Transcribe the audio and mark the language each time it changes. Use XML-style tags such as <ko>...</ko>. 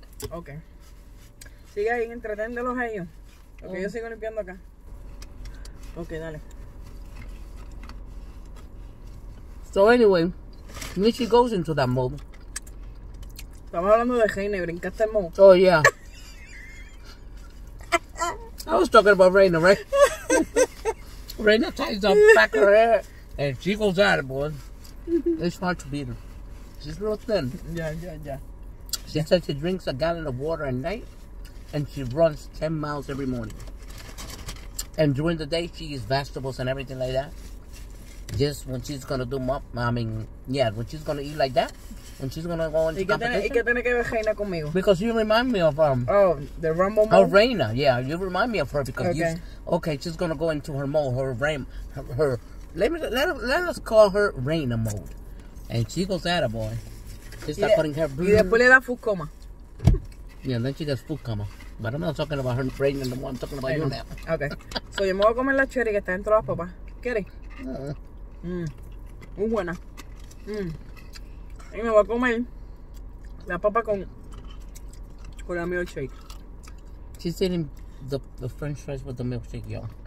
<es>Ok. Sigue ahí, entreténdelos a ellos. Porque yo sigo limpiando acá. Ok, dale.</es> <en>So anyway, Michi goes into that mode.</en> <es>Estamos hablando de Reina y brincaste el mode.</es> <en>Oh, yeah. I was talking about Reina, right? Reina ties up back her hair and she goes at it, boy. It's hard to beat her. She's a little thin. Yeah. She says she drinks a gallon of water at night and she runs 10 miles every morning. And during the day, she eats vegetables and everything like that. Just when she's gonna do mop, I mean, yeah, when she's gonna eat like that, when she's gonna go into competition.</en> <es>¿Y qué</es> <en>Because you remind me of The Rambo mode? Oh, Reina, yeah, you remind me of her because okay. Okay, she's gonna go into her mode, let us call her Reina mode. And she goes at it, boy. She starts putting her</en> <es>blue. Y después le da</es> <en>food coma. Yeah, then she gets food coma. But I'm not talking about her brain anymore, I'm talking about you now. Okay.</en> <es>So yo me voy a comer la cherry que está dentro de las papas. ¿Quieres? Muy buena. Y me voy a comer la papa con la milkshake.</es> <en>She's eating the French fries with the milkshake, yo.</en>